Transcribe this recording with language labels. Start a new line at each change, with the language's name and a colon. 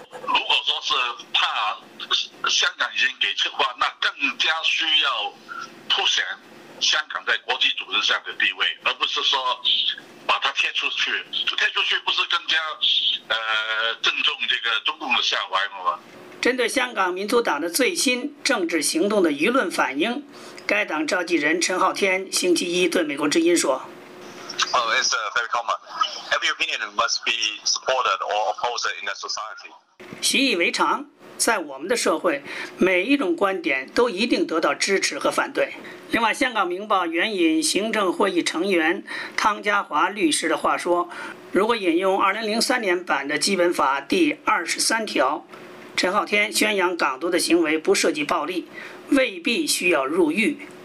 Chinese: 如果说是怕香港已经给赤化，那更加需要凸显香港在国际组织上的地位，而不是说把它贴出去，贴出去不是更加正中这个中共的下怀吗？针对香港民主党的最新政治行动的舆论反应，该党召集人陈浩天星期一对美国之音说，
English: Oh, it's very common. Every opinion must be supported or opposed in a society.
Chinese: 习以为常，在我们的社会，每一种观点都一定得到支持和反对。另外，香港明报援引行政会议成员汤家华律师的话说，如果引用2003年版的基本法第23条，陈浩天宣扬港独的行为不涉及暴力，未必需要入狱。